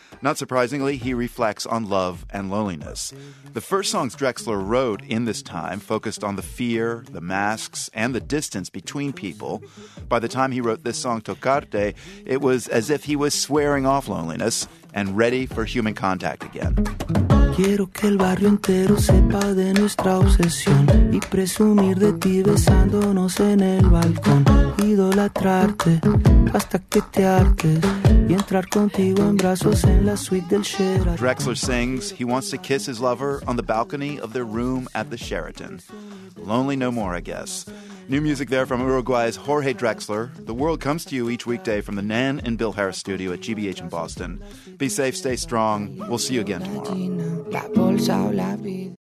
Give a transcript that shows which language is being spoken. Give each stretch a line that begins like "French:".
English: Not surprisingly, he reflects on love and loneliness. The first songs Drexler wrote in this time focused on the fear, the masks, and the distance between people. By the time he wrote this song, Tocarte, it was as if he was swearing off loneliness and ready for human contact again.
Spanish: Quiero que el barrio entero sepa de nuestra obsesión y presumir de ti besándonos en el balcón. Idolatrarte hasta que te hartes y entrar contigo en brazos en la suite del Sheraton.
English: Drexler sings he wants to kiss his lover on the balcony of their room at the Sheraton. Lonely no more, I guess. New music there from Uruguay's Jorge Drexler. The World comes to you each weekday from the Nan and Bill Harris studio at GBH in Boston. Be safe, stay strong. We'll see you again tomorrow.
Spanish: La bolsa o la vida.